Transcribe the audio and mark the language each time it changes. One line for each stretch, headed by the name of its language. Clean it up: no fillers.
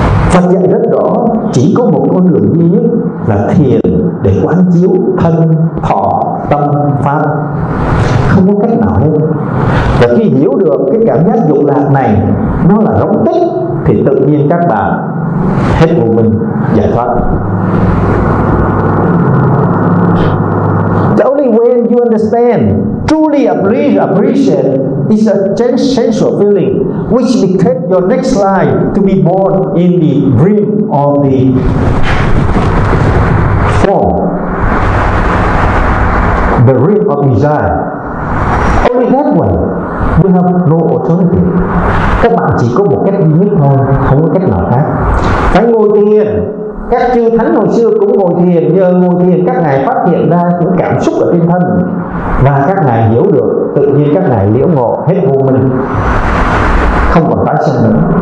Vietnamese: Phật dạy rất rõ, chỉ có một con đường duy nhất là thiền để quán chiếu thân, thọ, tâm, pháp, không có cách nào hết. Và khi hiểu được cái cảm giác dục lạc này nó là rỗng tích, thì tự nhiên các bạn hết vô minh giải thoát.
English: The only when you understand, truly appreciate is a transcendental feeling which dictates your next life to be born in the dream or the form, the realm of desire. Only that one. You have no alternative.
Vietnamese: Các bạn chỉ có một cách duy nhất thôi, không có cách nào khác. Phải ngồi thiền. Các chư thánh hồi xưa cũng ngồi thiền. Nhờ ngồi thiền các ngài phát hiện ra những cảm xúc ở trên thân, và các ngài hiểu được, tự nhiên các ngài liễu ngộ hết vô minh, không còn tái sinh nữa.